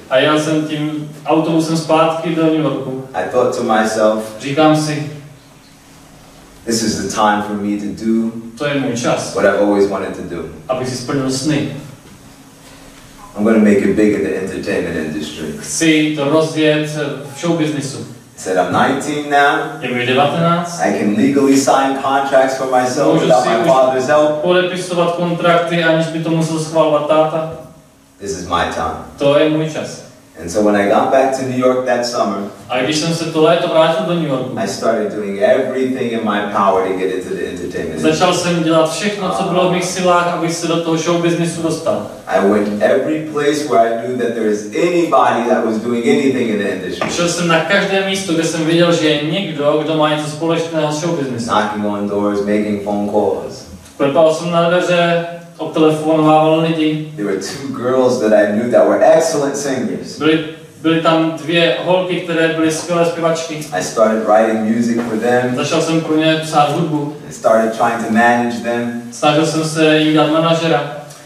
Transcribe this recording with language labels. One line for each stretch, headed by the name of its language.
Czech: A jel jsem tím autobusem zpátky do New Yorku.
English: I thought to myself,
Czech: říkám si,
English: this is the time for me to do,
Czech: to je můj čas,
English: what I've always wanted to do.
Czech: Abych si splnil sny.
English: I'm going to make it big in the entertainment industry.
Czech: Chci to rozjet v show businessu.
English: Said I'm 19 now.
Czech: Je mi 19.
English: I can legally sign contracts for myself without my father's help.
Czech: Můžu si podepisovat kontrakty, aniž by to musel schvalovat táta.
English: This is my time.
Czech: To je můj čas.
English: And so when I got back to New York that summer,
Czech: a když jsem se to léto vrátil do New Yorku,
English: I started doing everything in my power to get into the entertainment.
Czech: Začal jsem dělat všechno, co bylo v mých silách, abych se do toho show businessu dostal.
English: I went every place where I knew that there is anybody that was doing anything in the industry.
Czech: Šel jsem na každé místo, kde jsem viděl, že je někdo, kdo má něco společného s show businessem.
English: Knocking on doors, making phone calls.
Czech: Klepal jsem na dveře.
English: There were two girls that I knew that were excellent singers.
Czech: Byly Byly tam dvě holky, které byly skvělé zpěvačky.
English: I started writing music for them.
Czech: Začal jsem pro ně psát hudbu.
English: I started trying to manage them.
Czech: Snažil jsem se jim dát manažera.